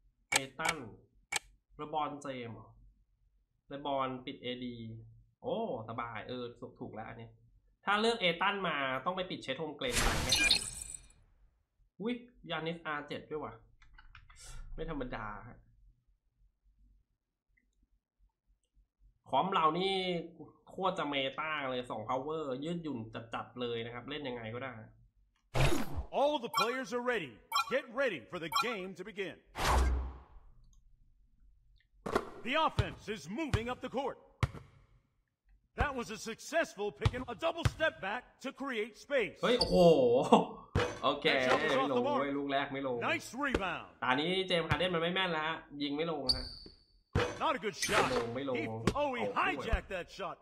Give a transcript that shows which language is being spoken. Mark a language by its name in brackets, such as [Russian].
[Thai] เอตันเรบอนเจมส์เรบอนปิด AD โอ้สบายสุดถูกแล้วอันนี้ถ้าเลือกเอตันมาต้องไปปิดเชทโฮมเกรนไหมครับวิกยานิส R7 ด้วยว่ะไม่ธรรมดาคอมเรานี่โคตรจะเมตาเลย2 power ยืดหยุ่นจัดๆเลยนะครับเล่นยังไงก็ได้ [English] All the players are ready. Get ready for the game to begin. The offense is moving up the court. That was a successful pick and a double step back to create space. [Thai] เฮ้ยโอ้โหโอเคไม่ลงไม่ลูกแรกไม่ลง [English] Nice rebound. [Thai] ตอนนี้เจมส์ฮาร์เดนมันไม่แม่นแล้วยิงไม่ลงฮะ [English] Not a good shot. [Thai] ไม่ลง [English] Oh, he hijacked that shot.